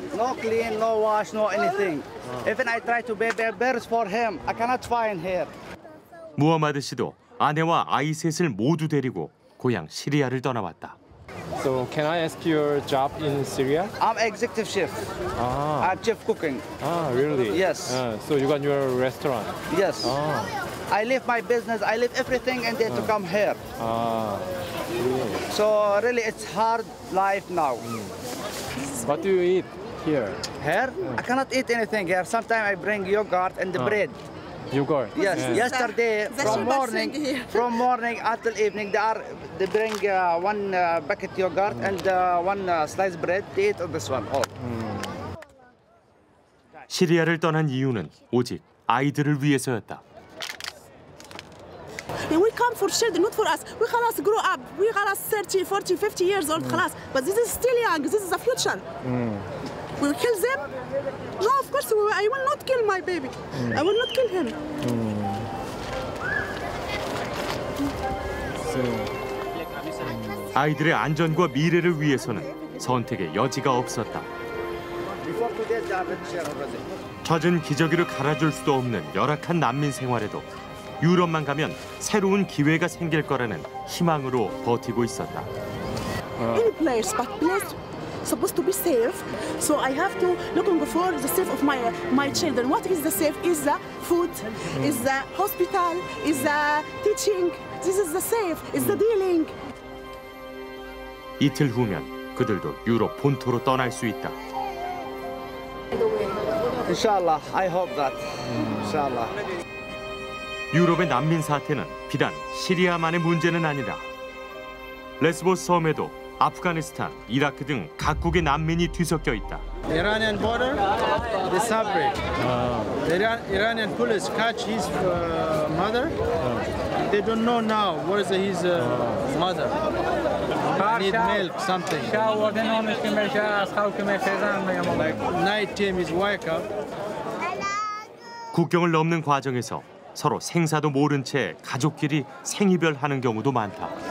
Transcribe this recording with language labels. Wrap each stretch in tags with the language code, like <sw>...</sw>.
<en>No clean, no wash, no anything. Even I try to bathe bears for him. I cannot find here.</en> <ko>무하마드 씨도 아내와 아이 셋을 모두 데리고 고향 시리아를 떠나왔다.</ko> <en>So can I ask your job in Syria? I'm executive chef. Ah. I'm chef cooking. Ah, really? Yes. So you got your restaurant? Yes. Ah. I leave my business, I leave everything and then to come here. Ah, really? So really it's hard life now. What do you eat here? Here? I cannot eat anything here. Sometimes I bring yogurt and the bread. Yogurt? Yes. Yeah. Yesterday, from morning until evening, they bring one bucket yogurt and one slice bread. They eat this one. Oh.</en> <ko>시리아를 떠난 이유는 오직 아이들을 위해서였다.</ko> <en>And we come for children, not for us. We خلاص grow up. We خلاص 30, 40, 50 years old. خلاص. But this is still young. This is the future. We will kill them? No, of course, I will not kill my baby. I will not kill him. So.</en> <ko>아이들의 안전과 미래를 위해서는 선택의 여지가 없었다. 젖은 기저귀를 갈아줄 수도 없는 열악한 난민 생활에도 유럽만 가면 새로운 기회가 생길 거라는 희망으로 버티고 있었다.</ko> <en>Any place, but place. Supposed to be safe, so I have to looking for the safe of my children. What is the safe? Is the food? Is the hospital? Is the teaching? This is the safe. Is the dealing?</en> <ko>이틀 후면 그들도 유럽 본토로 떠날 수 있다.</ko> <en>Inshallah, I hope that. Inshallah.</en> <ko>유럽의 난민 사태는 비단 시리아만의 문제는 아니다. 레스보스 섬에도. 아프가니스탄, 이라크 등 각국의 난민이 뒤섞여 있다.</ko> <en>Iranian border, the Sabri. Iranian police catch his mother. They don't know now where is his mother. Need milk, something. Shower, then only female. How can I say that? Night team is wake up.</en> <ko>국경을 넘는 과정에서 서로 생사도 모른 채 가족끼리 생이별하는 경우도 많다.</ko>